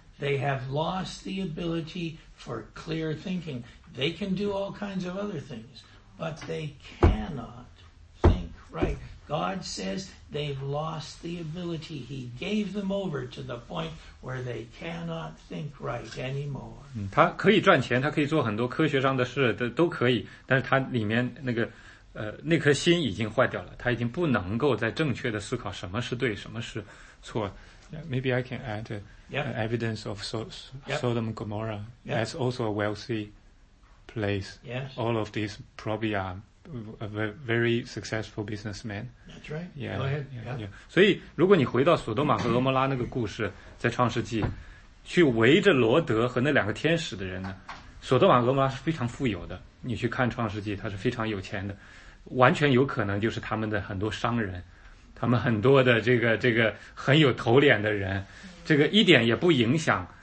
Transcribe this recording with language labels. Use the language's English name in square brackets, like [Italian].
[English] They have lost the ability for clear thinking. They can do all kinds of other things, but they cannot think right. God says they've lost the ability. He gave them over to the point where they cannot think right anymore. [Chinese] 他可以赚钱，他可以做很多科学上的事，都可以，但是他里面那个那颗心已经坏掉了，他已经不能够再正确的思考什么是对，什么是错。 [English] Yeah, maybe I can add evidence of Sodom and Gomorrah. Yep. That's also a wealthy place. Yes. All of these probably are a very successful businessmen. That's right. Yeah. Go ahead. Yeah. [Chinese] 所以如果你回到索多玛和俄摩拉那个故事，在创世纪，去围着罗德和那两个天使的人呢，索多玛和俄摩拉是非常富有的。你去看创世纪，他是非常有钱的，完全有可能就是他们的很多商人。他们很多的这个很有头脸的人，这个一点也不影响。